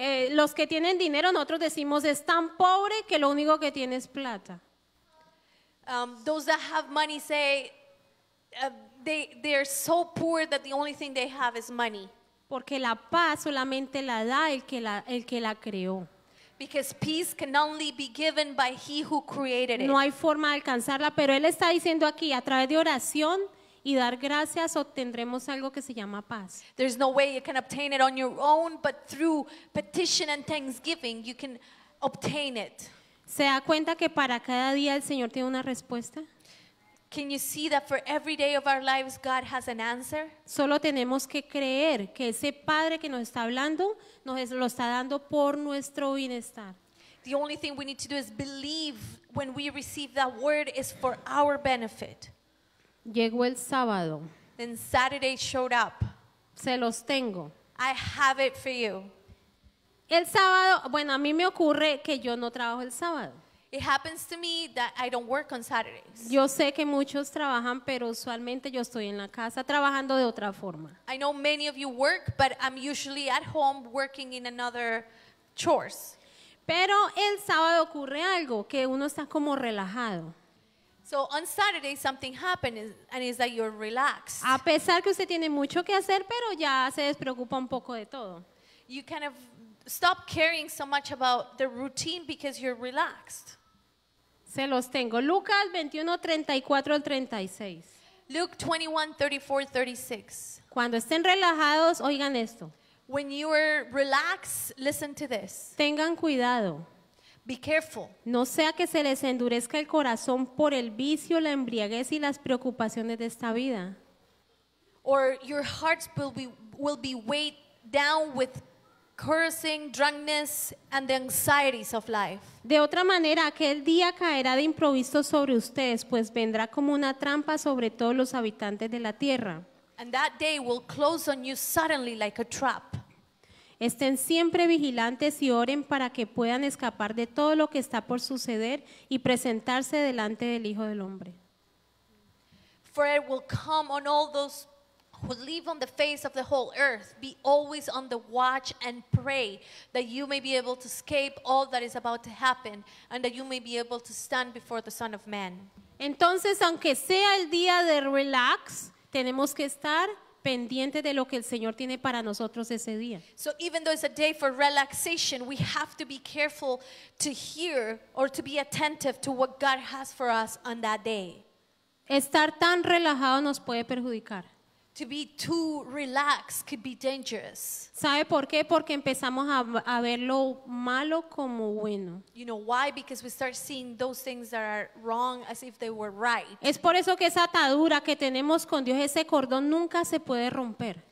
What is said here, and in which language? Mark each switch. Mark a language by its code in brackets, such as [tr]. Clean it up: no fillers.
[es] Los que tienen dinero, nosotros decimos es tan pobre que lo único que tiene es plata. [en] Those that have money say they're so poor that the only thing they have is money. [es] Porque la paz solamente la da el que la creó. [en] Because peace can only be given by he who created it. [es] No hay forma de alcanzarla, pero él está diciendo aquí a través de oración y dar gracias obtendremos algo que se llama paz. [en] There's no way you can obtain it on your own, but through petition and thanksgiving you can obtain it. [es] ¿Se da cuenta que para cada día el Señor tiene una respuesta? [en] Can you see that for every day of our lives God has an answer? [es] Solo tenemos que creer que ese Padre que nos está hablando nos lo está dando por nuestro bienestar. [en] The only thing we need to do is believe when we receive that word is for our benefit. [es] Llegó el sábado. [en] Then Saturday showed up. [es] Se los tengo. [en] I have it for you. [es] El sábado, bueno, a mí me ocurre que yo no trabajo el sábado. [en] It happens to me that I don't work on Saturdays. [es] Yo sé que muchos trabajan, pero usualmente yo estoy en la casa trabajando de otra forma. [en] I know many of you work, but I'm usually at home working in another chores. [es] Pero el sábado ocurre algo, que uno está como relajado. [en] So on Saturday something happens and it's that you're relaxed. [es] A pesar que usted tiene mucho que hacer, pero ya se despreocupa un poco de todo. [en] You kind of stop caring so much about the routine because you're relaxed. [es] Se los tengo. Lucas 21:34-36. [en] Luke 21:34-36. [es] Cuando estén relajados, oigan esto. [en] When you are relaxed, listen to this. [es] Tengan cuidado. [en] Be careful. [es] No sea que se les endurezca el corazón por el vicio, la embriaguez y las preocupaciones de esta vida. [en] Or your hearts will be weighed down with cursing, drunkenness, and the anxieties of life. [es] De otra manera, aquel día caerá de improviso sobre ustedes, pues vendrá como una trampa sobre todos los habitantes de la tierra. [en] And that day will close on you suddenly like a trap. [es] Estén siempre vigilantes y oren para que puedan escapar de todo lo que está por suceder y presentarse delante del Hijo del Hombre. [en] For it will come on all those who live on the face of the whole earth. Be always on the watch and pray that you may be able to escape all that is about to happen and that you may be able to stand before the Son of Man. [es] Entonces, aunque sea el día de relax, tenemos que estar pendientes de lo que el Señor tiene para nosotros ese día. [en] So even though it's a day for relaxation, we have to be careful to hear or to be attentive to what God has for us on that day. [es] Estar tan relajado nos puede perjudicar. [en] To be too relaxed could be dangerous. [es] ¿Sabe por qué? Porque empezamos a ver lo malo como bueno. [en] You know why? Because we start seeing those things that are wrong as if they were right. [es] Es por eso que esa atadura que tenemos con Dios, ese cordón nunca se puede romper.